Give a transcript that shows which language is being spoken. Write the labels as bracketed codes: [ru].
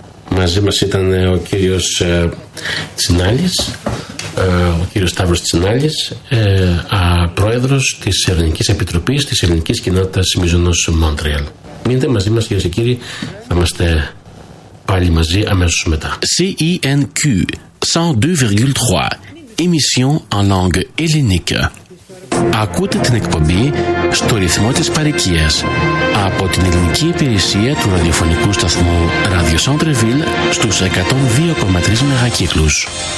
[el] Μαζί μας ήταν ο κύριος Τσινάλης, ο κύριος Σταύρος Τσινάλης, πρόεδρος της Ελληνικής Επιτροπής της Ελληνικής Κοινότητας Μιζονός Μόντρεαλ. Μείνετε μαζί μας, κύριε και κύριοι, θα είμαστε πάλι μαζί αμέσως μετά. [fr] CINQ 102,3 Emission en langue hellénique. [el] Ακούτε την εκπομπή στο ρυθμό της παροικίας από την ελληνική υπηρεσία του ραδιοφωνικού σταθμού Radio Centreville στους 102,3 μεγακύκλους.